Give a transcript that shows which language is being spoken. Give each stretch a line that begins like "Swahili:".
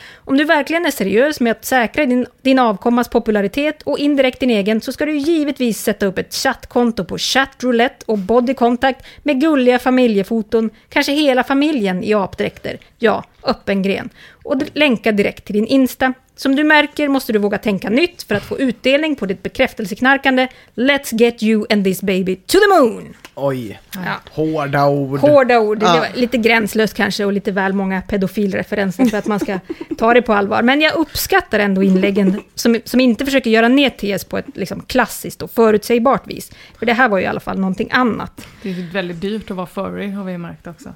Swedish: Om du verkligen är seriös med att säkra din avkommas popularitet och indirekt din egen, så ska du givetvis sätta upp ett chattkonto på chatroulette och bodycontact med gulliga familjefoton, kanske hela familjen i apdräkter. Ja, öppen gren. Och länka direkt till din Insta. Som du märker måste du våga tänka nytt för att få utdelning på ditt bekräftelseknarkande.
English: Let's get you and this baby to the moon!
Swedish: Oj, ja. Hårda ord. Hårda ord, ja. Det var lite gränslöst kanske och lite väl många pedofilreferenser för att man ska ta det på allvar. Men jag uppskattar ändå inläggen som inte försöker göra ner TS på ett liksom klassiskt och förutsägbart vis. För det här var ju i alla fall någonting annat. Det är väldigt dyrt att vara furry, har vi märkt också.